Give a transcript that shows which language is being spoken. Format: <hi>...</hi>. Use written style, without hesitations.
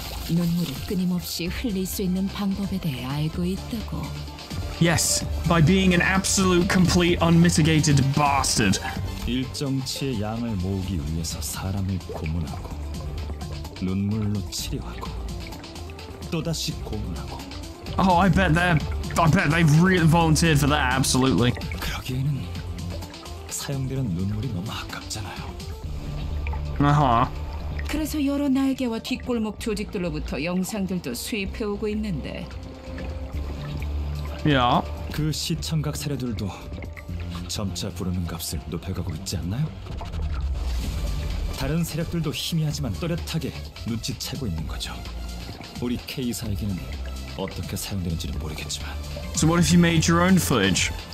<ko>눈물을 끊임없이 흘릴 수 있는 방법에 대해 알고 있다고.</ko> <en>Yes, by being an absolute, complete, unmitigated bastard.</en> <ko>일정치의 양을 모으기 위해서 사람을 고문하고 눈물로 치료하고 또다시 고문하고.</ko> <en>Oh, I bet they're. I bet they've really volunteered for that. Absolutely.</en> <ko>그러기에는 사용되는 눈물이 너무 아깝잖아요. 아하. 그래서 여러 날개와 뒷골목 조직들로부터 영상들도 수입해 오고 있는데. 야.</ko> <en>Yeah.</en> <ko>그 시청각 세력들도 점차 부르는 값을 높여가고 있지 않나요? 다른 세력들도 희미하지만 또렷하게 눈치채고 있는 거죠. 우리 K사에게는 어떻게 사용되는지는 모르겠지만.</ko> <en>So what if you made your own footage?</en>